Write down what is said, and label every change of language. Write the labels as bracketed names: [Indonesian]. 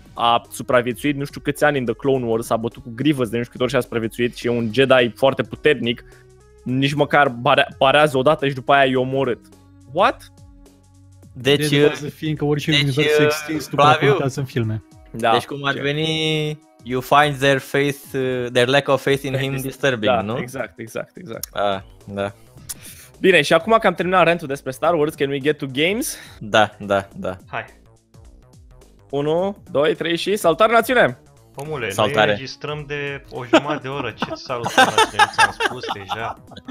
[Romanian] a supraviețuit nu știu câți ani în The Clone Wars, s-a bătut cu Grievous de nu știu câte ori și a supraviețuit și e un Jedi foarte puternic, nici măcar parează odată și după aia e omorât. [English] What? [Romanian] Deci, fiindcă orice universul se extins, după aceea contează în filme. Da. Deci cum ar veni, [English] you find their faith, their lack of faith in him disturbing, [Romanian] da, nu? Exact. Ah, da. Bine, și acum că am terminat rantul despre Star Wars, [English] can we get to games? [Romanian] Da. Hai. 1, 2, 3 și salutare națiune! Omule, salutare. Noi registrăm de o jumătate de oră, ce salutare ți-am spus deja.